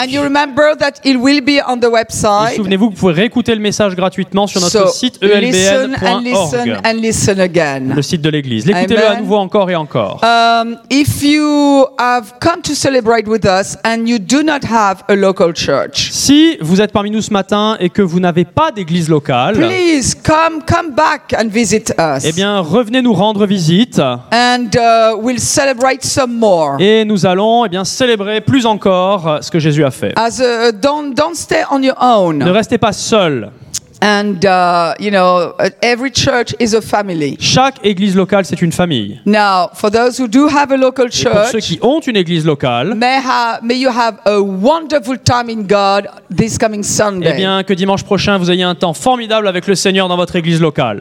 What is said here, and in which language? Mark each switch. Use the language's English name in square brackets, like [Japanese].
[English] And you remember that it will be on the website. [French] Et souvenez-vous que vous pouvez réécouter le message gratuitement sur notre site [English] elbn.org. Listen and listen again. [French] Le site de l'église. Écoutez-le à nouveau encore et encore. [English] If you have come to celebrate with us and you do not have a local church. [French] Si vous êtes parmi nous ce matin et que vous n'avez pas d'église locale. [English] Please come back and visit us. [French] Eh bien, revenez nous rendre visite. [English] And we'll celebrate some more. [French] Et nous allons eh bien, célébrer plus encore ce que Jésus a fait. [English] Don't stay on your own. [French] Ne restez pas seul. [English] And you know, every church is a family. [French] Chaque église locale, c'est une famille. [English] Now, for those who do have a local church, [French] et pour ceux qui ont une église locale, [English] may you have a wonderful time in God this coming Sunday. [French] Eh bien, que dimanche prochain, vous ayez un temps formidable avec le Seigneur dans votre église locale.